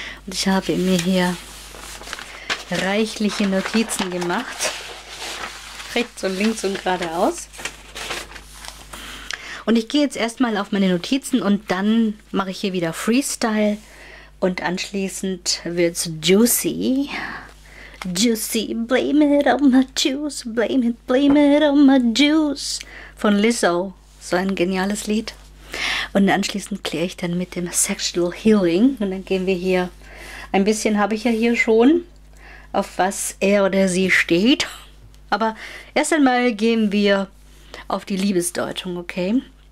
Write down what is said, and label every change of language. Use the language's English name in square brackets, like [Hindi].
[German] Und ich habe mir hier reichliche Notizen gemacht. Rechts und links und geradeaus. Und ich gehe jetzt erstmal auf meine Notizen und dann mache ich hier wieder Freestyle. Und anschließend wird's juicy. [English] Juicy, blame it on my juice, blame it on my juice. [German] Von Lizzo. So ein geniales Lied. Und anschließend kläre ich dann mit dem Sexual Healing. Und dann gehen wir hier, ein bisschen habe ich ja hier schon, auf was er oder sie steht. Aber erst einmal gehen wir auf die Liebesdeutung, okay?